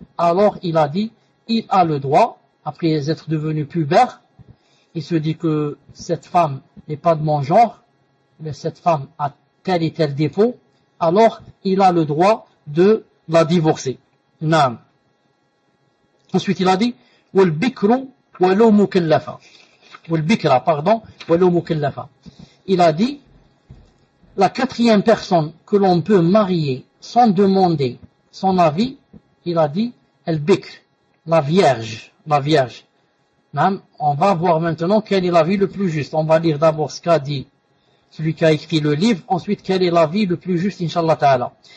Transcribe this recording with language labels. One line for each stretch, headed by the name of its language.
French: Alors, il a dit, il a le droit, après être devenu pubère, il se dit que cette femme n'est pas de mon genre, mais cette femme a tel et tel défaut, alors il a le droit de la divorcer. Naam. Ensuite il a dit
Arabic: والبكر ولو مكلفا. والبكرة, pardon, ولو مكلفا.
French: Il a dit la quatrième personne que l'on peut marier sans demander son avis, il a dit البكر, la vierge. Naam. On va voir maintenant quel est l'avis le plus juste. On va lire d'abord ce qu'a dit celui qui a écrit le livre, ensuite, quelle est la vie le plus juste, inshallah ta'ala.